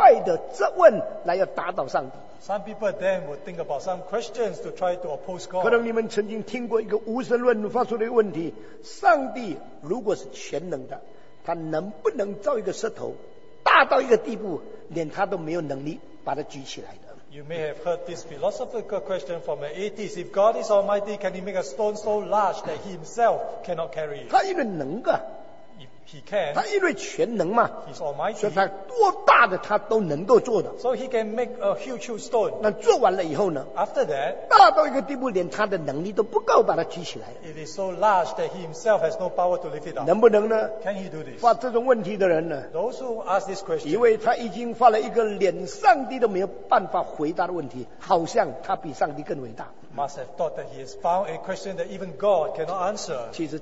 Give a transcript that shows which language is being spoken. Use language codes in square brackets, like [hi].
[zh] 有的人就用这句话想出一些很奇怪的质问来要打倒上帝。 [en] Some people then would think about some questions to try to oppose God. [zh] 可能你们曾经听过一个无神论发出的问题, 上帝如果是全能的, 他能不能造一个石头, 大到一个地步, 连他都没有能力把它举起来的。 [en] You may have heard this philosophical question from the 80s. If God is almighty, can he make a stone so large that he himself cannot carry it? [zh] 他因为能个, [en] if he can, [zh] 他因为全能嘛, [en] he's almighty. [zh] 所以他多大的他都能够做的, [en] so he can make a huge, huge stone. [zh] 那做完了以后呢, [en] after that, [zh] 大到一个地步连他的能力都不够把它举起来。 [en] It is so large that he himself has no power to lift it up. [zh] 能不能呢? [en] Can he do this? [zh] 发这种问题的人呢, [en] those who ask this question, [zh] 以为他已经发了一个连上帝都没有办法回答的问题, 好像他比上帝更伟大。 [en] Must have thought that he has found a question that even God cannot answer.